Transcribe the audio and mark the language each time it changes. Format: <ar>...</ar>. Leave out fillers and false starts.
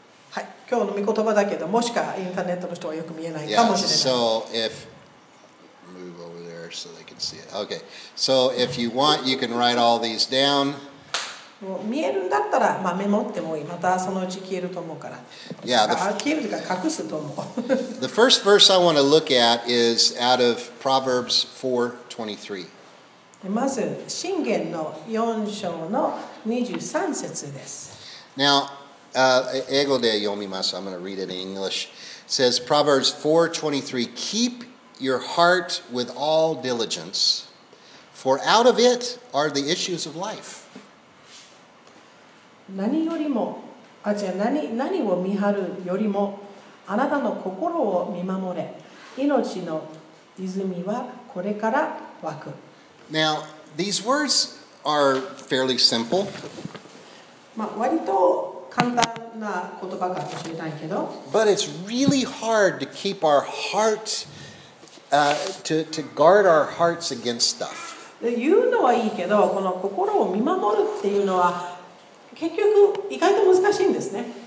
<ja>はい、今日の御言葉だけど、もしかインターネットの人はよく見えないかもしれない。</ja> <en>So if move over there so they can see it. Okay. So if you want, you can write all these down.</en> <ja>見えるんだったら、まあ、メモってもいい。またそのうち消えると思うから。</ja> <en>Yeah,</en> <ja>the消えるというか隠すと思う。</ja> <en>The first verse I want to look at is out of Proverbs 4:23.</en> <ja>まず、箴言の4章の23節です。</ja> <en>Now,</en> <ja>英語で読みます。</ja> <en>I'm going to read it in English. It says, Proverbs 4:23, keep your heart with all diligence, for out of it are the issues of life.</en> <ja>何よりも、あ、じゃあ何を見張るよりも、あなたの心を見守れ。命の泉はこれから湧く。</ja> <en>Now, these words are fairly simple.</en> <ja>まあ、割と簡単な言葉かもしれないけど。</ja> <en>But it's really hard to keep our heart, to guard our hearts against stuff.</en> <ja>言うのはいいけど、この心を見守るっていうのは、結局意外と難しいんですね。</ja>